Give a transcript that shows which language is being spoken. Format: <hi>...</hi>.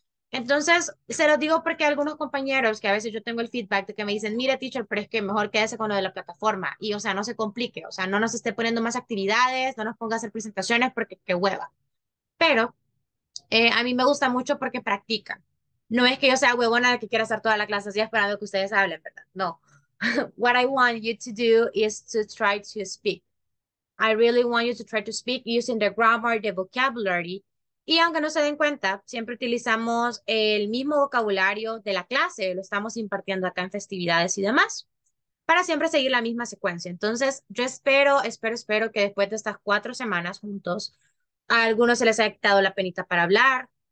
<es>Entonces, se los digo porque algunos compañeros, que a veces yo tengo el feedback de que me dicen, mira, teacher, pero es que mejor quédese con lo de la plataforma. Y, o sea, no se complique. O sea, no nos esté poniendo más actividades, no nos ponga a hacer presentaciones porque qué hueva. Pero a mí me gusta mucho porque practican. No es que yo sea huevona de que quiera hacer toda la clase así esperando que ustedes hablen, ¿verdad? No.</es> <en>What I want you to do is to try to speak. I really want you to try to speak using the grammar, the vocabulary.</en> <es>Y aunque no se den cuenta, siempre utilizamos el mismo vocabulario de la clase. Lo estamos impartiendo acá en festividades y demás. Para siempre seguir la misma secuencia. Entonces, yo espero que después de estas 4 semanas juntos, a algunos se les haya quitado la penita para hablar.</es>